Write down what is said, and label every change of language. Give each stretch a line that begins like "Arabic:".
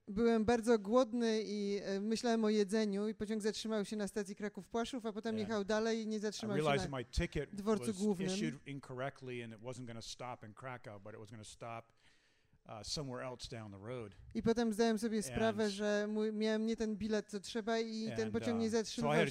Polish: Byłem bardzo głodny i myślałem o jedzeniu i pociąg zatrzymał się na stacji Kraków-Płaszów, a potem jechał dalej i nie zatrzymał się na dworcu głównym.
English: Issued incorrectly and it wasn't going to stop in Krakow, but it was going to stop somewhere else down the road.
Polish: I potem zdałem sobie sprawę, że miałem nie ten bilet, co trzeba i ten pociąg nie zatrzymał się.